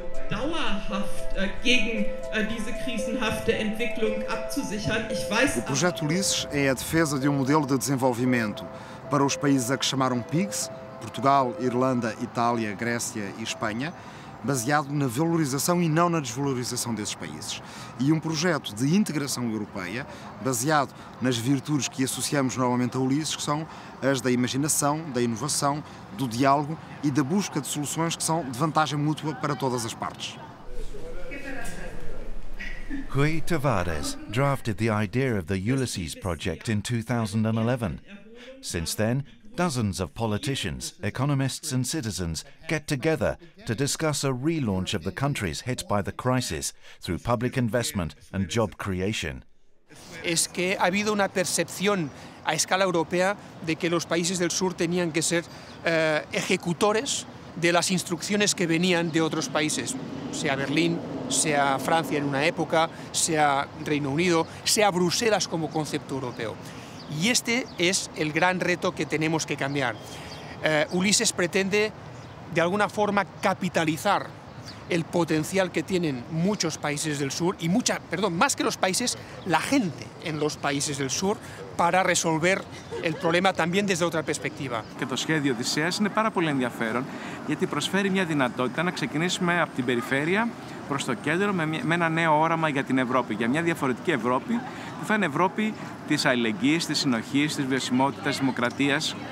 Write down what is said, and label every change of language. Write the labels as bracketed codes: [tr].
[de] Dauerhaft gegen diese krisenhafte Entwicklung abzusichern, ich weiß... [pt] O projeto Ulysses é a defesa de um modelo de desenvolvimento para os países a que chamaram PIGS, Portugal, Irlanda, Itália, Grécia e Espanha, baseado na valorização e não na desvalorização desses países. E um projeto de integração europeia, baseado nas virtudes que associamos normalmente a Ulysses, que são as da imaginação, da inovação, do diálogo e da busca de soluções que são de vantagem mútua para todas as partes. [en] Rui Tavares drafted the idea of the Ulysses project in 2011. Since then, dozens of politicians, economists and citizens get together to discuss a relaunch of the countries hit by the crisis through public investment and job creation. [es] Es que ha habido una percepción a escala europea de que los países del sur tenían que ser ejecutores de las instrucciones que venían de otros países, sea Berlín, sea Francia en una época, sea Reino Unido, sea Bruselas como concepto europeo. Y este es el gran reto que tenemos que cambiar. Ulysses pretende, de alguna forma, capitalizar el potencial que tienen muchos países del sur, y mucha, perdón, más que los países, la gente en los países del sur, para resolver el problema también desde otra perspectiva. [el] Και το σχέδιο Οδυσσέας είναι πάρα πολύ ενδιαφέρον, γιατί προσφέρει μια δυνατότητα να ξεκινήσουμε από την περιφέρεια προς το κέντρο με ένα νέο όραμα για την Ευρώπη, για μια διαφορετική Ευρώπη, που θα είναι Ευρώπη της αλληλεγγύης, της συνοχής, της βιωσιμότητας, δημοκρατίας.